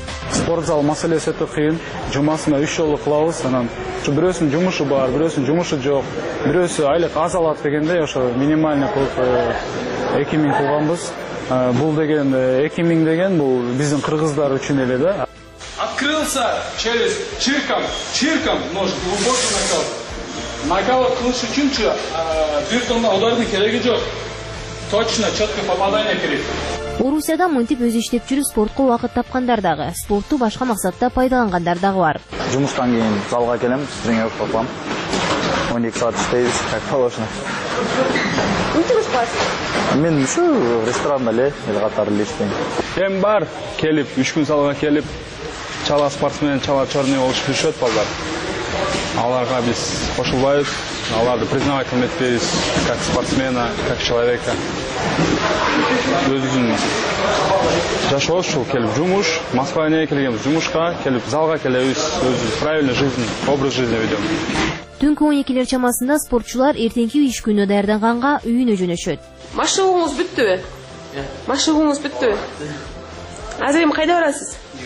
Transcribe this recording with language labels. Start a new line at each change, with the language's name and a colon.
Kyrgyz: Спорт зал маселеси өтө кыйын. Жумасына 3 жолу кылабыз, анан бирөөсүн жумушу бар, бирөөсүн жумушу жок, бирөөсү айлык аз алат дегендей ошо минимальный кылып 2000 кылганбыз. Бул деген 2000 деген бул биздин кыргыздар үчүн эле да.
Russian: Открылся через чирком, может, глубокий нокаут.
Kyrgyz: Нокаут кылыш үчүн бир тонна удардын кереги жок.
Russian: Точно, четко попадание
Kyrgyz: керек. Орусияда мынтип өзү иштеп жүрүп спортко убакыт тапкандар дагы, спортту башка максатта пайдалангандар дагы бар. Жумуштан кийин залга келем, тренировка кылам. 12 саат иштейбиз,
Russian: как положено.
Kyrgyz: Эмне кылышпайсың? Мен ушу ресторанда эле эл катар эле иштейм. Эми бар, келип, 3 күн залга келип, чала спортсмен, чала черный болуп жүрүшөт балдар. Аларга биз кошулбайбыз, аларды
Russian: признавать
Kyrgyz: этпейбиз,
Russian: как спортсмена, как человека.
Kyrgyz: Өзүбүздүн жашообуз ушул, келип жумуш, Москвага эмне келгенбиз? Жумушка келип, залга келебиз, өзүбүз
Russian: правильный жизнь, образ жизни ведем.
Kyrgyz: Түнкү 12:00 чамасында спортчулар эртеңки иш күнүнө даярданганга үйүнө жөнөшөт. Машыгыңыз бүттүбү? Машыгыңыз бүттүбү? Азыр эми кайда барасыз?